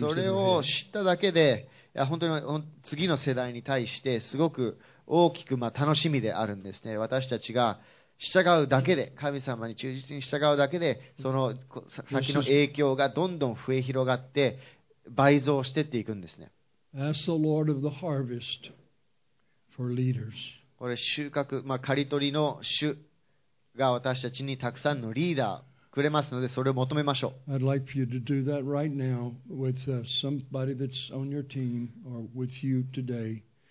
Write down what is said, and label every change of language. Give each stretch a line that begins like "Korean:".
Japanese: それを知っただけで、いや本当に次の世代に対してすごく大きく、まあ、楽しみであるんですね。私たちが従うだけで、神様に忠実に従うだけで、その先の影響がどんどん増え広がって倍増してっていくんですね。
English: Ask the Lord of the harvest for leaders.
Japanese: これ収穫、まあ、刈り取りの主が私たちにたくさんのリーダーくれますので、それを求めましょう。
English: I'd like for you to do that right now with somebody that's on your team or with you today.